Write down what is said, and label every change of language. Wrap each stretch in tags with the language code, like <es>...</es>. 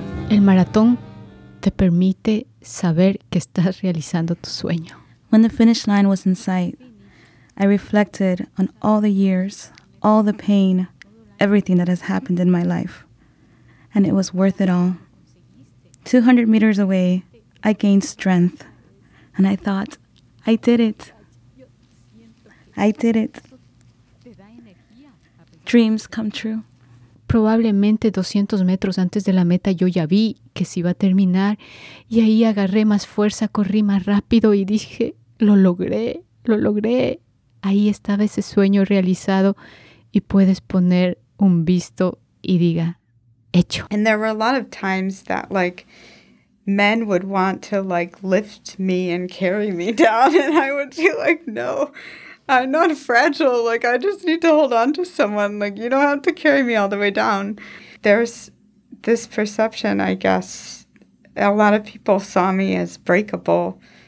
<es>El maratón te permite saber que estás realizando tu sueño.</es> <en>When the finish line was in sight, I reflected on all the years, all the pain, everything that has happened in my life. And it was worth it all. 200 meters away, I gained strength, and I thought, I did it. I did it. Dreams come true.</en> <es>Probablemente 200 metros antes de la meta yo ya vi que se iba a terminar, y ahí agarré más fuerza, corrí más rápido y dije, lo logré, lo logré. Ahí estaba ese sueño realizado, y puedes poner un visto y diga, hecho.</es> <en>And there were a lot of times that, like, men would want to, like, lift me and carry me down, and I would be like, no, I'm not fragile. Like, I just need to hold on to someone. Like, you don't have to carry me all the way down. There's this perception, I guess, a lot of people saw me as breakable.</en>